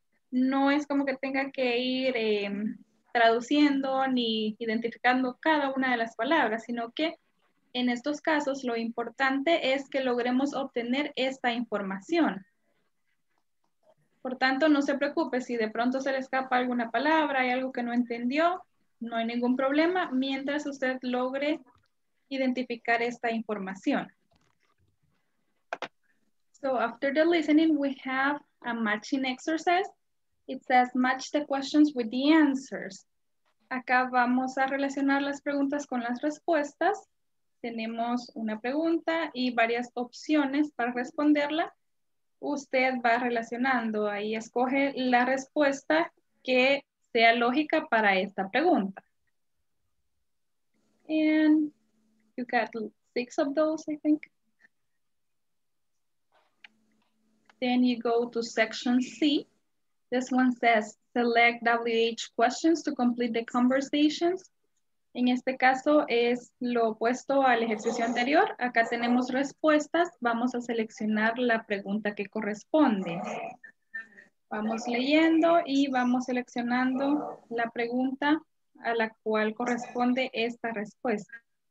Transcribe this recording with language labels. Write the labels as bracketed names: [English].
[Spanish] No es como que tenga que ir traduciendo ni identificando cada una de las palabras, sino que en estos casos, lo importante es que logremos obtener esta información. Por tanto, no se preocupe si de pronto se le escapa alguna palabra, hay algo que no entendió, no hay ningún problema mientras usted logre identificar esta información. [English] So, after the listening, we have a matching exercise. It says match the questions with the answers. [Spanish] Acá vamos a relacionar las preguntas con las respuestas. Tenemos una pregunta y varias opciones para responderla. Usted va relacionando, ahí escoge la respuesta que sea lógica para esta pregunta. [English] And you got 6 of those, I think. Then you go to section C. This one says select WH questions to complete the conversations. [Spanish] En este caso es lo opuesto al ejercicio anterior. Acá tenemos respuestas. Vamos a seleccionar la pregunta que corresponde. Vamos leyendo y vamos seleccionando la pregunta a la cual corresponde esta respuesta.